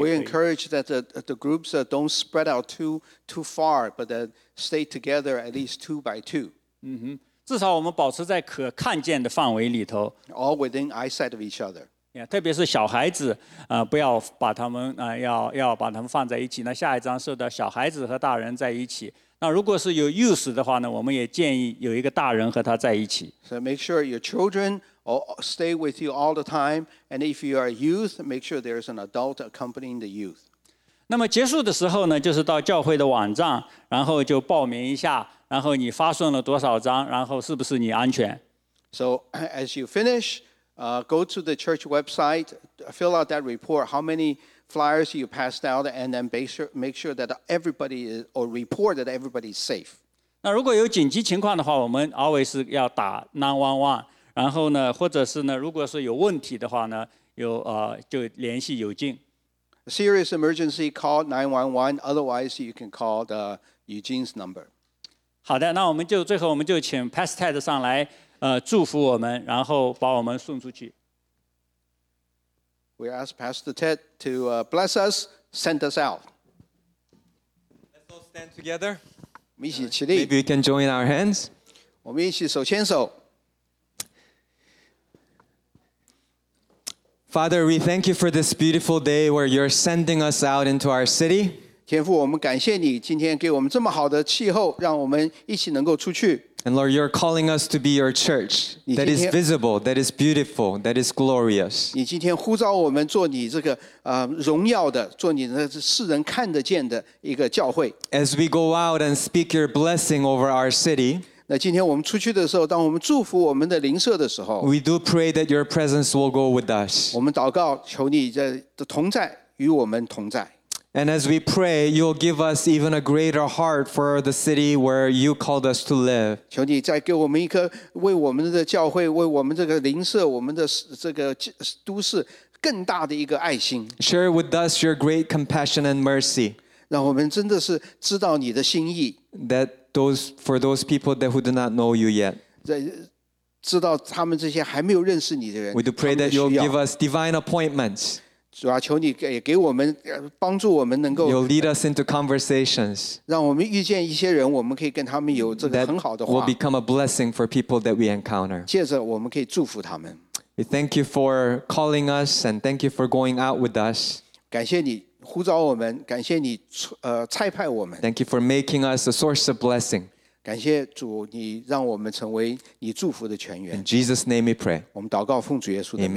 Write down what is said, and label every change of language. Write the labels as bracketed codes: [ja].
[zh] 可以。 [en] So we encourage that the groups don't spread out too far, but that stay together at least two by two. [zh] 至少我们保持在可看见的范围里头。 [en] All within eyesight of each other. [zh] Yeah, 特别是小孩子不要把他们要把他们放在一起。那下一张是的小孩子和大人在一起。那如果是有 youth 的话呢，我们也建议有一个大人和他在一起。 [en] So make sure your children stay with you all the time. And if you are youth, make sure there's an adult accompanying the youth. [zh] 那么结束的时候呢，就是到教会的网站，然后就报名一下，然后你发送了多少张，然后是不是你安全。 [en] So as you finish,go to the church website, fill out that report, how many flyers you passed out, and then make sure that everybody is, or report that everybody is safe. [zh] 那如果有紧急情况的话，我们 [en] always [zh] 要打 911. 然后呢，或者是呢，如果是有问题的话呢，就联系友静。 [en] A serious emergency, call 911. Otherwise, you can call the Eugene's number. [zh] 好的，那我们就最后我们就请 Pastor Ted 上来。祝福我们，然后把我们送出去。 [en] We ask Pastor Ted to bless us, send us out. Let's all stand together. [zh] 我们一起起立。 [en] Maybe we can join our hands. [zh] 我们一起手牵手。 [en] Father, we thank you for this beautiful day where you're sending us out into our city. [zh] 天父，我们感谢你今天给我们这么好的气候，让我们一起能够出去。 [en] And Lord, you're calling us to be your church that is visible, that is beautiful, that is glorious. [zh] 你今天呼召我们做你这个荣耀的，做你的世人看得见的一个教会。 [en] As we go out and speak your blessing over our city, [zh] 那今天我们出去的时候，当我们祝福我们的邻舍的时候， [en] we do pray that your presence will go with us. [zh] 我们祷告，求你的同在与我们同在。 [en] And as we pray, you'll give us even a greater heart for the city where you called us to live. [zh] 求你再给我们一颗为我们的教会，为我们这个邻舍，我们的这个都市更大的一个爱心。 [en] Share with us your great compassion and mercy. [zh] 让我们真的是知道你的心意。 [en] That those for those people that who do not know you yet. [zh] 知道他们这些还没有认识你的人。 [en] We do pray that you'll give us divine appointments. [zh] 主啊，求你给我们帮助，我们能够 [en] You'll lead us into conversations， [zh] 让我们遇见一些人，我们可以跟他们有这个很好的话。 [en] Will become a blessing for people that we encounter。 [zh] 接着我们可以祝福他们。 [en] We thank you for calling us and thank you for going out with us。 [zh] 感谢你呼召我们，感谢你差派我们。 [en] Thank you for making us a source of blessing。 [zh] 感谢主，你让我们成为你祝福的泉源。 [en] In Jesus' name we pray。 [zh] 我们祷告奉主耶稣的名。